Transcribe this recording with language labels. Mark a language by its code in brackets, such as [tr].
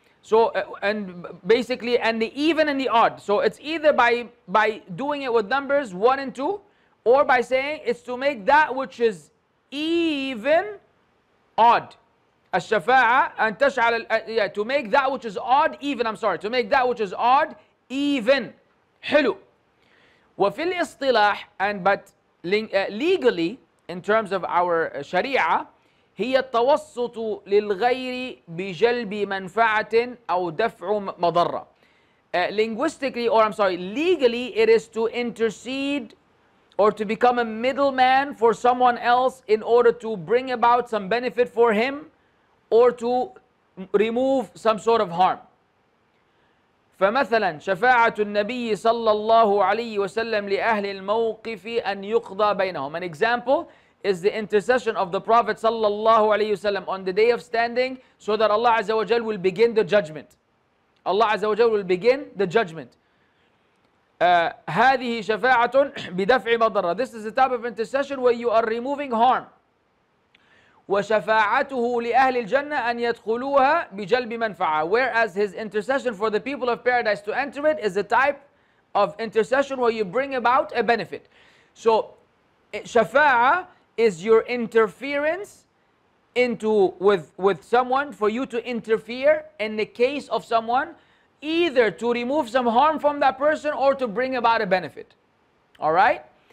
[en] So and basically, and the even and the odd. So it's either by doing it with numbers 1 and 2, or by saying it's to make that which is even odd. [ar] الشفاعه ان تشعل [en] to make that which is odd even. I'm sorry, to make that which is odd even. [ar] حلو. وفي الاصطلاح [en] and but legally in terms of our sharia, [ar] هي التوسط للغير بجلب منفعة أو دفع مضرة. [en] Linguistically, or I'm sorry, legally, it is to intercede or to become a middleman for someone else in order to bring about some benefit for him or to remove some sort of harm. [ar] فمثلا شفاعة النبي صلى الله عليه وسلم لأهل الموقف أن يقضى بينهم. [en] An example is the intercession of the Prophet sallallahu alayhi wasallam on the day of standing, so that Allah Azza wa Jal will begin the judgment. Allah Azza wa Jal will begin the judgment. [ar] هذه شفاعة بدفع مضرة. [en] This is the type of intercession where you are removing harm. [ar] وشفاعته لأهل الجنة أن يدخلوها بجلب منفعة. [en] Whereas his intercession for the people of paradise to enter it is the type of intercession where you bring about a benefit. So شفاعة is your interference into with someone, for you to interfere in the case of someone, either to remove some harm from that person or to bring about a benefit. All right?